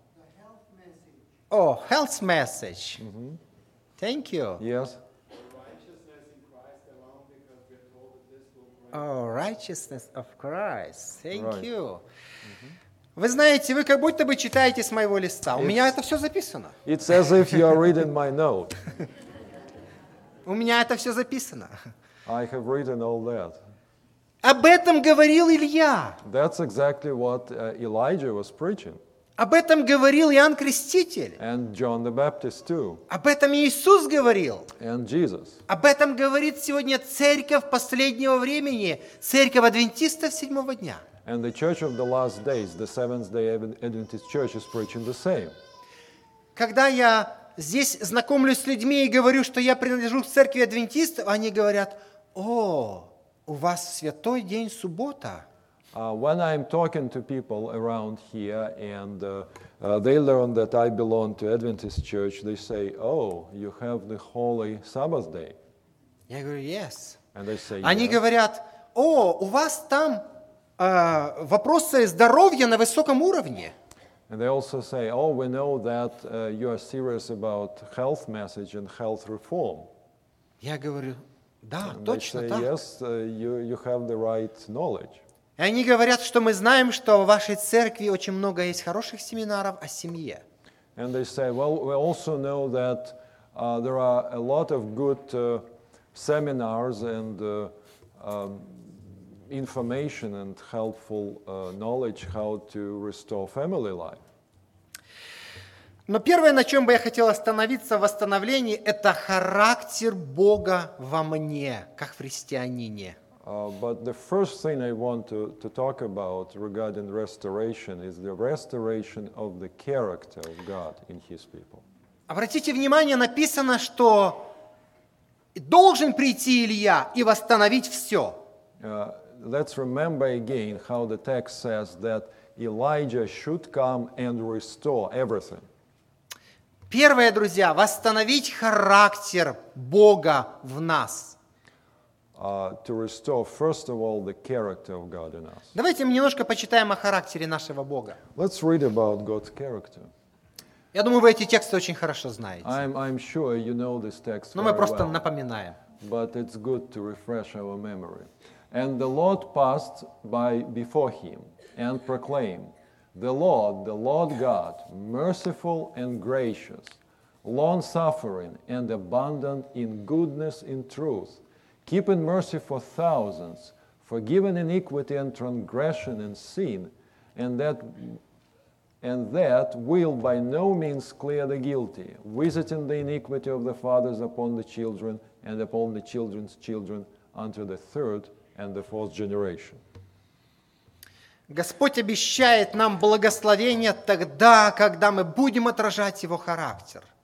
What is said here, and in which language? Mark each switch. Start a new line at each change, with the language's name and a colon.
English: The health message. Oh, health message. Mm-hmm. Thank you. Yes. Oh, righteousness of Christ. Thank right. you.
Russian: Вы знаете, вы как будто бы читаете с моего листа. У меня это все записано.
English: It's as if you are reading my note.
Russian: У меня это все записано.
English: I have written all that.
Russian: Об этом говорил Илья.
English: That's exactly what Elijah was preaching.
Russian: Об этом говорил Иоанн Креститель.
English: And John the Baptist too.
Russian: Об этом Иисус говорил.
English: And Jesus.
Russian: Об этом говорит сегодня церковь последнего времени, церковь адвентистов седьмого дня.
English: And the church of the last days, the Seventh-day Adventist church is preaching the same.
Russian: Когда я здесь знакомлюсь с людьми и говорю, что я принадлежу к церкви адвентистов, они говорят, о, у вас святой день суббота.
English: When I'm talking to people around here and they learn that I belong to Adventist Church, they say, oh, you have the holy Sabbath day.
Russian: Я говорю,
English: yes. And they say,
Russian: они
English: yes.
Russian: говорят, о, у вас там вопросы здоровья на высоком уровне.
English: And they also say, oh, we know that you are serious about health message and health reform.
Russian: Я говорю, да,
English: and
Russian: точно
English: say,
Russian: так.
English: They say, yes, you have the right knowledge.
Russian: И они говорят, что мы знаем, что в вашей церкви очень много есть хороших семинаров о семье.
English: And they say, well, we also know that there are a lot of good seminars and information and helpful knowledge how to restore family life.
Russian: Но первое, на чем бы я хотел остановиться в восстановлении, это характер Бога во мне, как в христианине.
English: But the first thing I want to talk about regarding restoration is the restoration of the character of God in His people.
Russian: Обратите внимание, написано, что должен прийти Илья и восстановить все.
English: Let's remember again how the text says that Elijah should come and restore everything.
Russian: Первое, друзья, восстановить характер Бога в нас.
English: To restore, first of all, the character of God in us.
Russian: Давайте мы немножко почитаем о характере нашего Бога.
English: Let's read about God's character.
Russian: Я думаю, вы эти тексты очень хорошо знаете.
English: I'm sure you know this text.
Russian: Но мы просто
English: well.
Russian: Напоминаем.
English: But it's good to refresh our memory. And the Lord passed by before him and proclaimed, the Lord God, merciful and gracious, long-suffering and abundant in goodness and truth, keeping mercy for thousands, forgiving iniquity and transgression and sin, and that will by no means clear the guilty, visiting the iniquity of the fathers upon the children and upon the children's children unto the third and the fourth generation.
Russian: Господь обещает нам благословение тогда, когда мы будем отражать Его характер.